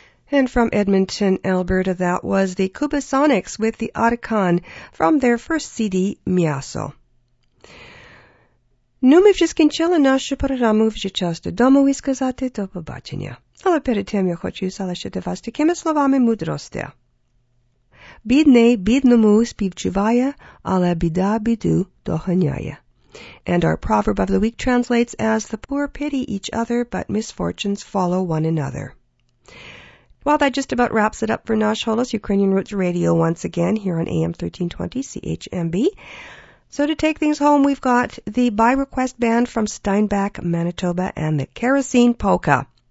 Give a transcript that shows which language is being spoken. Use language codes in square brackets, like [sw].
[en] And from Edmonton, Alberta, that was the Cubasonics with the Arcan from their first CD, Miaso. [uk] Ну, ми вже скінчили нашу програму, вже час додому і сказати до побачення. Але перед тим я хочу залишити вас такими словами мудрості. Бідний бідному співчуває, але біда біду доганяє. [en] And our proverb of the week translates as the poor pity each other, but misfortunes follow one another. Well, that just about wraps it up for Nash Holos, Ukrainian Roots Radio, once again here on AM 1320 CHMB. So to take things home, we've got the By Request Band from Steinbach, Manitoba, and the Kerosene Polka.